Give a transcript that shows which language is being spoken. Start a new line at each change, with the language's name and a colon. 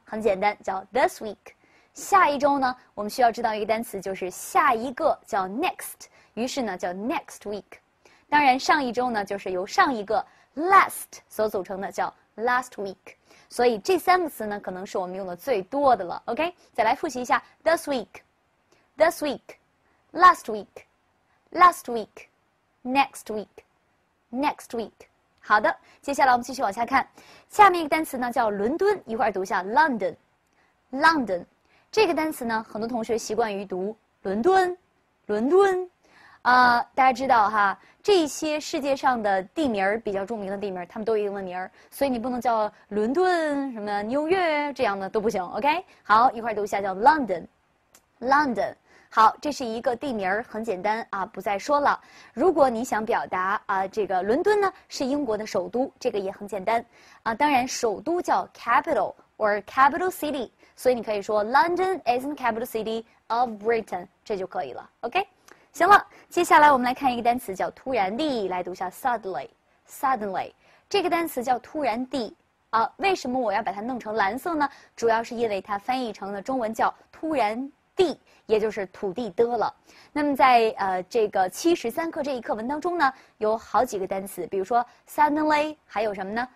Chinese: 很简单，叫
English: this week。
Chinese: 下一周呢，我们需要知道一个单词，就是下一个叫
English: next，
Chinese: 于是呢叫
English: next week。
Chinese: 当然，上一周呢，就是由上一个
English: last
Chinese: 所组成的，叫
English: last week。
Chinese: 所以这三个词呢，可能是我们用的最多的了。 OK， 再来复习一下
English: this week、this week、last week、last week、next week、
Chinese: next week。好的，接下来我们继续往下看，下面一个单词呢叫伦敦，一块读一下 London。 London 这个单词呢，很多同学习惯于读伦敦，伦敦。大家知道哈，这些世界上的地名比较著名的地名，他们都有英文名，所以你不能叫伦敦、什么纽约这样的都不行。 OK， 好，一块读一下，叫 London。好，这是一个地名，很简单啊，不再说了。如果你想表达这个伦敦呢是英国的首都，这个也很简单啊。当然，首都叫
English: capital or capital city，
Chinese: 所以你可以说
English: London is the capital city of Britain，
Chinese: 这就可以了。 OK。行了，接下来我们来看一个单词，叫突然地，来读一下
English: suddenly。
Chinese: 这个单词叫突然地啊，为什么我要把它弄成蓝色呢？主要是因为它翻译成的中文叫突然地，也就是土地的了。那么在这个73课这一课文当中呢，有好几个单词，比如说
English: suddenly，
Chinese: 还有什么呢？